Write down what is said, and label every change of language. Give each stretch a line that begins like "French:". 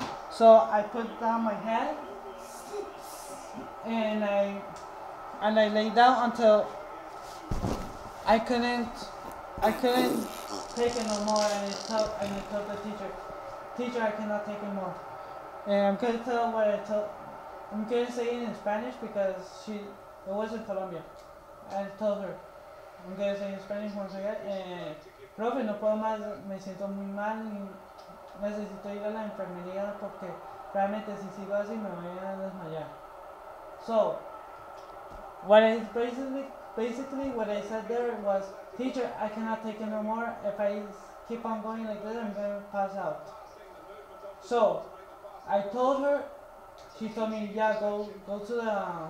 English: So I put down my head, and I lay down until I couldn't take it no more, and I told the teacher, I cannot take it more. And I'm gonna tell what I told. I'm gonna say it in Spanish because it was in Colombia. And I told her, I'm gonna say it in Spanish once again.
Spanish: Profe, no puedo más, me siento muy mal, y necesito ir a la enfermería porque realmente si sigo así me voy a desmayar.
English: So, what I basically what I said there was, teacher, I cannot take it no more. If I keep on going like this, I'm gonna pass out. So, I told her. She told me, yeah, go to the